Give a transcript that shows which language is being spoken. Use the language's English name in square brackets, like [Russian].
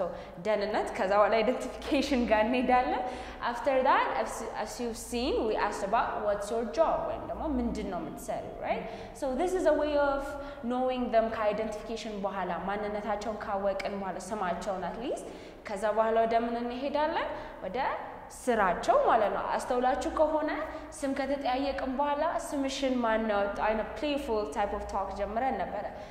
[Amharic] So ደንነት ከዛ በኋላ identification ጋር እንሄዳለን. [English] After that, as you've seen, we asked about what's your job? Well, no, [Amharic] ምንድን ነው የምትሰሪው, right? [English] So this is a way of knowing them [Amharic] ka identification በኋላ ማንነታቸውን ካወቅን በኋላ ስማቸውን at least ከዛ በኋላ ወደ ምን እንሄዳለን? ወደ ስራቸው ማለት ነው. አስተውላችሁ ከሆነ ስም ከተጠያየቀን በኋላ ስምሽን ማን ነው አይነ [English] playful type of talk [Amharic] ጀምረን ነበር.